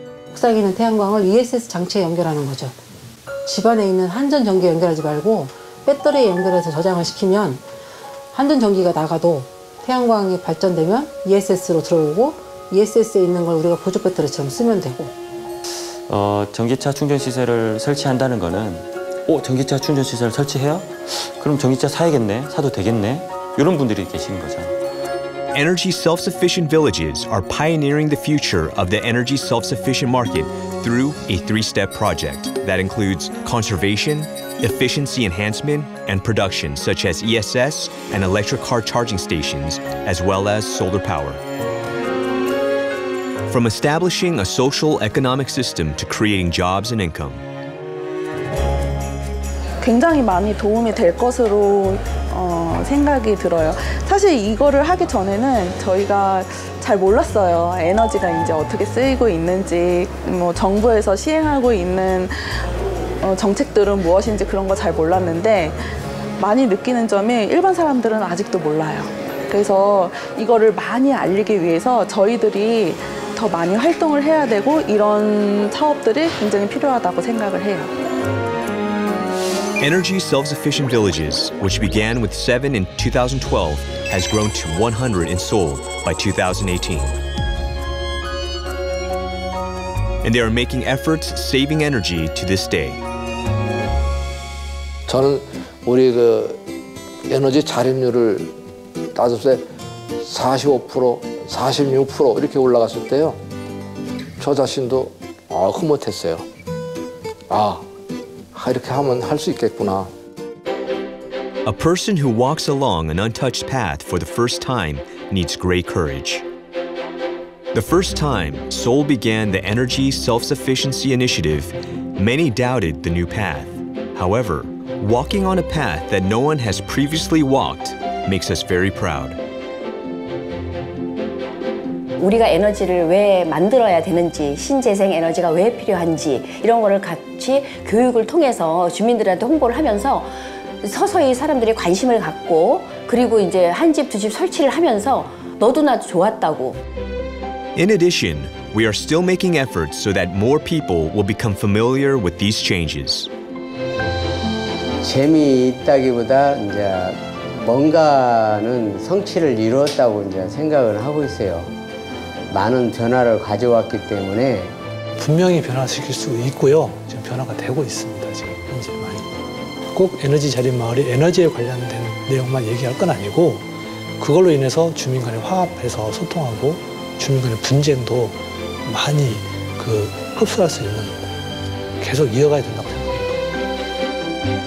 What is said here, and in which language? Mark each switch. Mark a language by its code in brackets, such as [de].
[ko] 옥상에 있는 태양광을 ESS 장치에 연결하는 거죠. 집 안에 있는 한전 전기에 연결하지 말고 배터리에 연결해서 저장을 시키면 한전 전기가 나가도 태양광이 발전되면 ESS로 들어오고 ESS에 있는 걸 우리가 보조 배터리처럼 쓰면 되고 전기차 충전 시설을 설치한다는 거는 오, 전기차 충전 시설 설치해요? 그럼 전기차 사야겠네, 사도 되겠네 이런 분들이 계시는 거죠. [en] Energy self-sufficient villages are pioneering the future of the energy self-sufficient market through a three-step project that includes conservation, efficiency enhancement, and production such as ESS and electric car charging stations, as well as solar power. From establishing a social economic system to creating jobs and income. [ko] 굉장히 많이 도움이 될 것으로 생각이 들어요. 사실 이거를 하기 전에는 저희가 잘 몰랐어요. 에너지가 이제 어떻게 쓰이고 있는지, 뭐 정부에서 시행하고 있는 정책들은 무엇인지 그런 거 잘 몰랐는데 많이 느끼는 점이 일반 사람들은 아직도 몰라요. 그래서 이거를 많이 알리기 위해서 저희들이 더 많이 활동을 해야 되고 이런 사업들이 굉장히 필요하다고 생각을 해요. [en] Energy self-sufficient villages, which began with 7 in 2012, has grown to 100 in Seoul by 2018. And they are making efforts saving energy to this day. [ko] 저는 우리 그 에너지 자립률을 따졌을 때 45%, 46% 이렇게 올라갔을 때요. 저 자신도 흐뭇했어요. 이렇게 하면 할 수 있겠구나. [en] A person who walks along an untouched path for the first time needs great courage. The first time Seoul began the Energy Self-Sufficiency Initiative, many doubted the new path. However, walking on a path that no one has previously walked makes us very proud. [ko] 우리가 에너지를 왜 만들어야 되는지, 신재생 에너지가 왜 필요한지 이런 거를 같이 교육을 통해서 주민들한테 홍보를 하면서 서서히 사람들이 관심을 갖고 그리고 이제 한 집, 두 집 설치를 하면서 너도 나도 좋았다고. [en] In addition, we are still making efforts so that more people will become familiar with these changes. [ko] 재미있다기보다 이제 뭔가는 성취를 이루었다고 이제 생각을 하고 있어요. 많은 변화를 가져왔기 때문에 분명히 변화시킬 수 있고요. 지금 변화가 되고 있습니다. 지금 현재 많이. 꼭 에너지 자립 마을이 에너지에 관련된 내용만 얘기할 건 아니고 그걸로 인해서 주민 간에 화합해서 소통하고 주민 간의 분쟁도 많이 그 흡수할 수 있는 계속 이어가야 된다고 생각합니다.